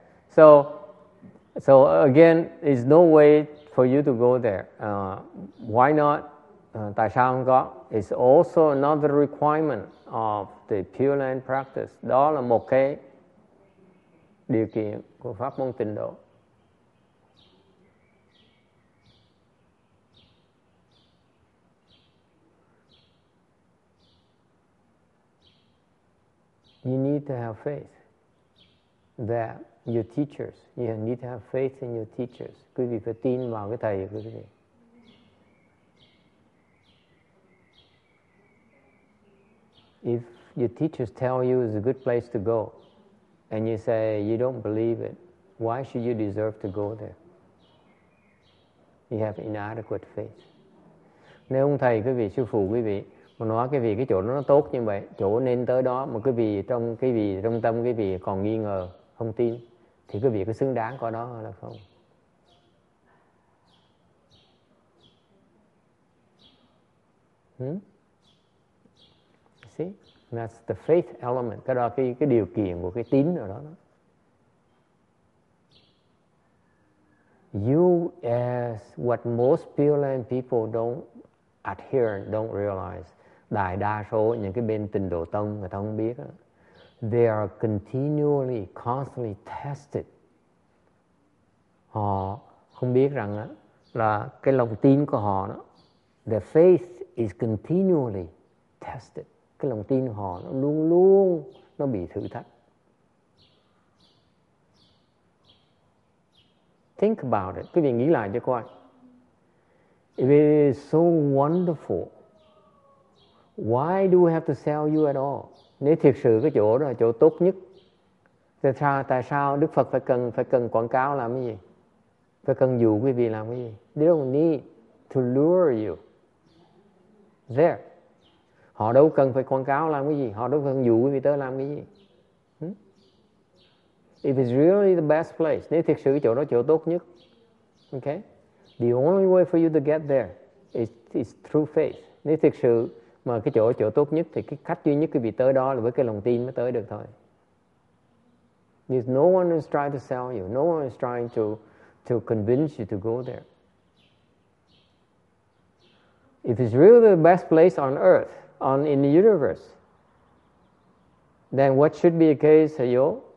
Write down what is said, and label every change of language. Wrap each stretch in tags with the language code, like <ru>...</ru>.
<en>So again, there's no way for you to go there. Why not?</en> <vi>Tại sao không có?</vi> <en>It's also another requirement of the Pure Land practice.</en> <vi>Đó là một cái điều kiện của pháp môn tịnh độ.</vi> <en>You need to have faith that your teachers, you need to have faith in your teachers.</en> <vi>Quý vị phải tin vào cái thầy của quý vị.</vi> <en>If your teachers tell you it's a good place to go, and you say you don't believe it, why should you deserve to go there? You have inadequate faith.</en> <vi>Nếu ông thầy quý vị, sư phụ quý vị, mà nói cái vị cái chỗ nó tốt như vậy, chỗ nên tới đó, mà quý vị trong cái vị trong tâm quý vị còn nghi ngờ, không tin, thì cái việc có xứng đáng có đó hay là không?</vi> <en>See, that's the faith element.</en> <vi>Cái đó là cái điều kiện của cái tín ở đó.</vi> <en>You as what most Pure Land people don't adhere, don't realize.</en> <vi>Đại đa số những cái bên tịnh độ tông người ta không biết. Đó.</vi> <en>They are continually, constantly tested.</en> <vi>Họ không biết rằng là cái lòng tin của họ đó,</vi> <en>the faith is continually tested.</en> <vi>Cái lòng tin của họ nó luôn luôn nó bị thử thách.</vi> <en>Think about it.</en> <vi>Quý vị nghĩ lại cho coi.</vi> <en>If it is so wonderful, why do we have to sell you at all?</en> <vi>Nếu thiệt sự cái chỗ đó là chỗ tốt nhất, tại sao Đức Phật phải cần quảng cáo làm cái gì? Phải cần dụ quý vị làm cái gì?</vi> <en>They don't need to lure you there.</en> <vi>Họ đâu cần phải quảng cáo làm cái gì? Họ đâu cần dụ quý vị tới làm cái gì?</vi> <en>If it's really the best place,</en> <vi>nếu thiệt sự cái chỗ đó chỗ tốt nhất, okay?</vi> <en>The only way for you to get there is through faith.</en> <vi>Nếu thiệt sự mà cái chỗ tốt nhất thì cái cách duy nhất quý vị tới đó là với cái lòng tin mới tới được thôi.</vi> <en>There's no one is trying to sell you. No one is trying to convince you to go there. If it's really the best place on earth, in the universe, then what should be the case, Hayo?</en>